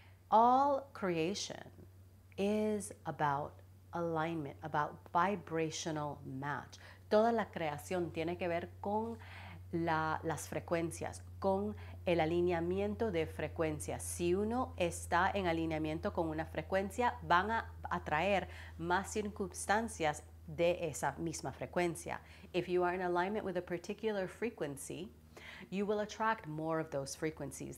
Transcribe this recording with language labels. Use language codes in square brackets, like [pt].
[en] All creation is about alignment, about vibrational match. [es] Toda la creación tiene que ver con las frecuencias, con el alineamiento de frecuencias. Si uno está en alineamiento con una frecuencia, van a atraer más circunstancias de esa misma frecuencia. [en] If you are in alignment with a particular frequency, you will attract more of those frequencies.